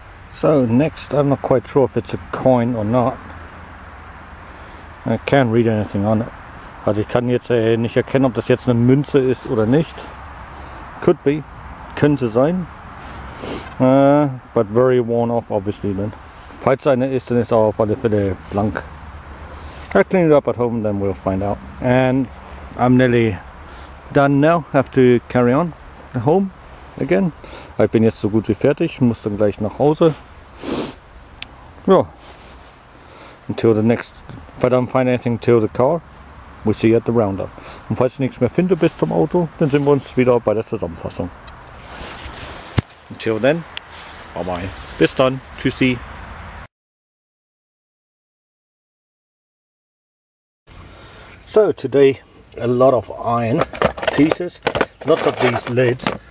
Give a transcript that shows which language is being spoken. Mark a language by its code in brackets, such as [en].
[en] So next, I'm not quite sure if it's a coin or not. I can't read anything on it. [de] Also ich kann jetzt nicht erkennen, ob das jetzt eine Münze ist oder nicht. [en] Could be. [de] Könnte sein. [en] But very worn off, obviously then. [de] Falls eine ist, dann ist auch auf alle Fälle blank. [en] I'll clean it up at home, then we'll find out. And I'm nearly done now. Have to carry on at home again. [de] Ich bin jetzt so gut wie fertig, muss dann gleich nach Hause. [en] Ja. Until the next. If I don't find anything till the car, we'll see you at the roundup. [de] Und falls ich nichts mehr finde bis zum Auto, dann sehen wir uns wieder bei der Zusammenfassung. [en] Until then, bye bye. [de] Bis dann. Tschüssi. [en] So, today a lot of iron pieces. Lots of these lids.